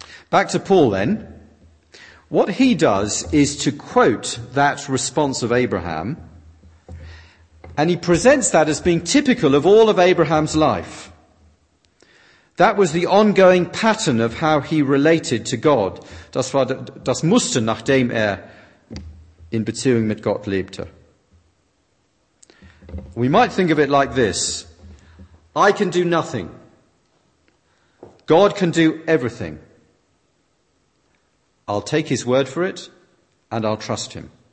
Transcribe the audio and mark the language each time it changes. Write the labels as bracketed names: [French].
[English] Back to Paul then. What he does is to quote that response of Abraham, and he presents that as being typical of all of Abraham's life. That was the ongoing pattern of how he related to God. [German] Das war das Muster, nachdem er in Beziehung mit Gott lebte. [English] We might think of it like this. I can do nothing. God can do everything. I'll take his word for it, and I'll trust him.